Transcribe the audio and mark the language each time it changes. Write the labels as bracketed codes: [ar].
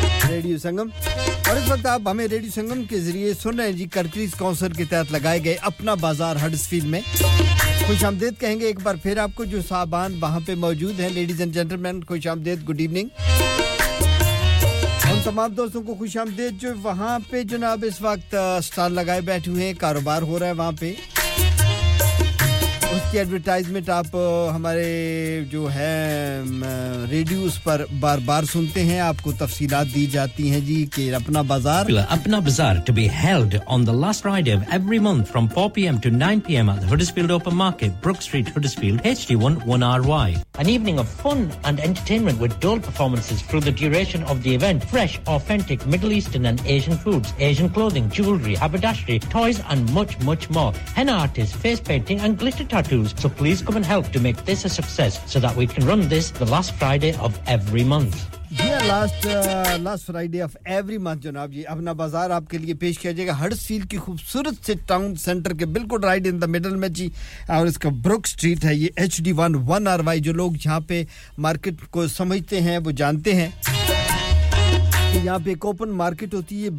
[ur] Radio سنگم اور اس وقت آپ ہمیں ریڈیو سنگم کے ذریعے سن رہے ہیں جی کرکریز کانسر کے تحت لگائے گئے اپنا بازار ہڈسفیلڈ میں خوش آمدید کہیں گے ایک بار پھر آپ کو جو صاحبان وہاں پہ موجود ہیں لیڈیز اینڈ جینٹلمین خوش آمدید گڈ ایوننگ تمام دوستوں کو خوش آمدید جو وہاں پہ جناب اس وقت سٹال لگائے بیٹھے ہوئے ہیں کاروبار ہو رہا ہے وہاں پہ اس کی ایڈورٹائزمنٹ آپ ہمارے جو ہے ریڈیو اس پر بار بار سنتے ہیں آپ کو تفصیلات دی جاتی ہیں جی کہ اپنا بازار [en] Apna Bazaar to be held on the last Friday of every month from 4 p.m. to 9 p.m. at the Huddersfield Open Market, Brook Street, Huddersfield, HD1 1RY. An evening of fun and entertainment with dual performances through the duration of the event. Fresh, authentic Middle Eastern and Asian foods, Asian clothing, jewellery, haberdashery, toys and much, much more. Henna artists, face painting and glitter tattoos. So please come and help to make this a success so that we can run this the last Friday of every month. Yeah, last Friday of every month, جناب جی. [ur] اپنا بازار آپ کے لیے پیش کیا جائے گا. ہڈرسفیلڈ کی خوبصورت سے ٹاؤن سینٹر کے بالکل [en] right in the middle [ur] میں جی. اور اس کا بروک سٹریٹ ہے یہ HD1 1RY. جو لوگ یہاں پہ مارکیٹ کو سمجھتے ہیں وہ جانتے ہیں کہ یہاں پہ ایک اوپن مارکیٹ ہوتی ہے.